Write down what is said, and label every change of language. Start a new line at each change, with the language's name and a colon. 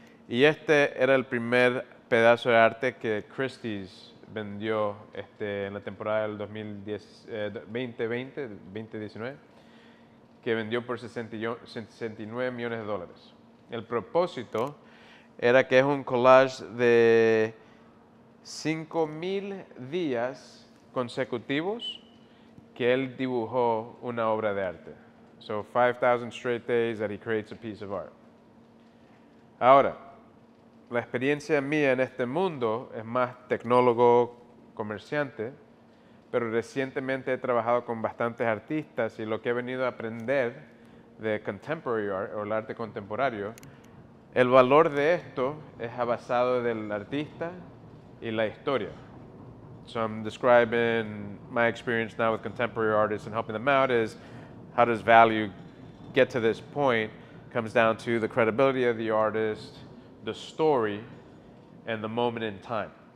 Spanish: Y este era el primer pedazo de arte que Christie's vendió en la temporada del 2019, que vendió por $69 millones. El propósito era que es un collage de 5,000 días consecutivos que él dibujó una obra de arte.
English: So 5,000 straight days that he creates a piece of art.
Spanish: Ahora, la experiencia mía en este mundo es más tecnólogo, comerciante, pero recientemente he trabajado con bastantes artistas y lo que he venido a aprender de
English: contemporary art
Spanish: o el arte contemporáneo, el valor de esto es basado del artista y la historia.
English: So I'm describing my experience now with contemporary artists and helping them out is how does value get to this point comes down to the credibility of the artist, the story, and the moment in time.